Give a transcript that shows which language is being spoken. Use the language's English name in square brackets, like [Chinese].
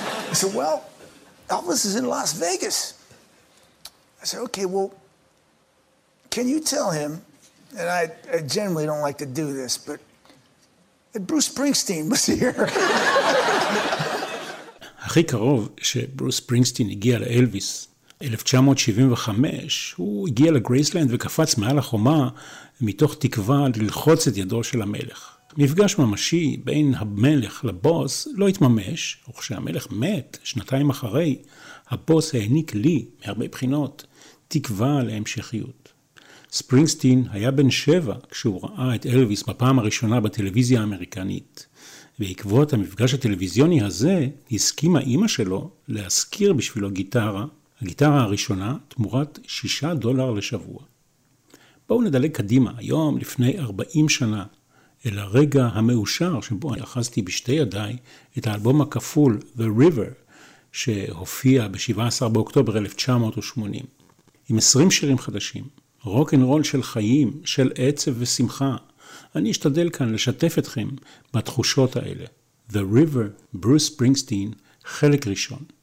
[English] He said, well, Elvis is in Las Vegas. I said, okay, well, can you tell him, and I generally don't like to do this, but that Bruce Springsteen was here. [Hebrew] הכי קרוב שברוס ספרינגסטין הגיע לאלוויס, 1975, הוא הגיע לגרייסלנד וקפץ מעל החומה מתוך תקווה ללחוץ את ידו של המלך. מפגש ממשי בין המלך לבוס לא התממש, וכשהמלך מת שנתיים אחרי, הבוס העניק לי, מהרבה בחינות, תקווה להמשכיות. ספרינגסטין היה בן 7 כשהוא ראה את אלוויס בפעם הראשונה בטלוויזיה האמריקנית. בעקבות המפגש הטלוויזיוני הזה, הסכימה אמא שלו להזכיר בשבילו גיטרה, הגיטרה הראשונה, תמורת $6 לשבוע. בואו נדלג קדימה, היום לפני 40 שנה, אל הרגע המאושר שבו אחזתי בשתי ידיי את האלבום הכפול The River, שהופיע ב-17 באוקטובר 1980. עם 20 שירים חדשים, רוק אנד רול של חיים, של עצב ושמחה, אני אשתדל כאן לשתף אתכם בתחושות האלה. The River, Bruce Springsteen, חלק ראשון.